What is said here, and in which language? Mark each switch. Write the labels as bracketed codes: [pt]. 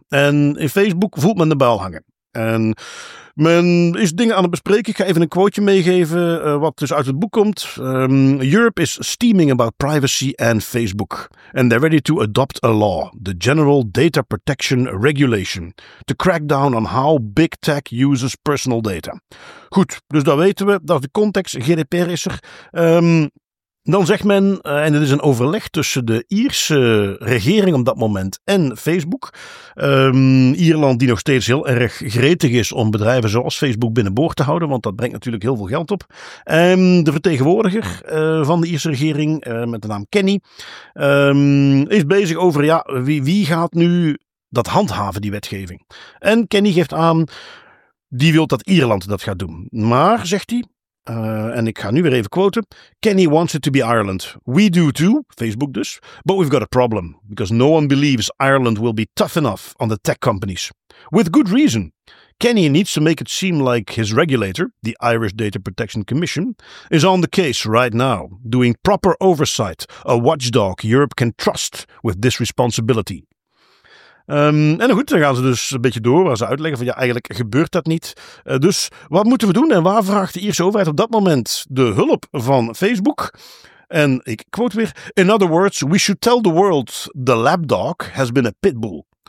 [nl] En in Facebook voelt men de buil hangen. En men is dingen aan het bespreken. Ik ga even een quoteje meegeven wat dus uit het boek komt. [en] Europe is steaming about privacy and Facebook. And they're ready to adopt a law, the General Data Protection Regulation, to crack down on how big tech uses personal data. [nl] Goed, dus dat weten we. Dat is de context. GDPR is er. Dan zegt men, en het is een overleg tussen de Ierse regering op dat moment en Facebook. Ierland die nog steeds heel erg gretig is om bedrijven zoals Facebook binnenboord te houden, want dat brengt natuurlijk heel veel geld op. De vertegenwoordiger van de Ierse regering, met de naam Kenny, is bezig over ja, wie gaat nu dat handhaven, die wetgeving. En Kenny geeft aan, die wil dat Ierland dat gaat doen. Maar, zegt hij, en ik ga nu weer even quoten. [en] Kenny wants it to be Ireland. We do too, Facebook dus. But we've got a problem. Because no one believes Ireland will be tough enough on the tech companies. With good reason. Kenny needs to make it seem like his regulator, the Irish Data Protection Commission, is on the case right now, doing proper oversight. A watchdog Europe can trust with this responsibility. [nl] En goed, dan gaan ze dus een beetje door waar ze uitleggen van ja, eigenlijk gebeurt dat niet. Dus wat moeten we doen en waar vraagt de Ierse overheid op dat moment de hulp van Facebook? [en] En ik quote weer, in other words, we should tell the world the lapdog has been a pitbull.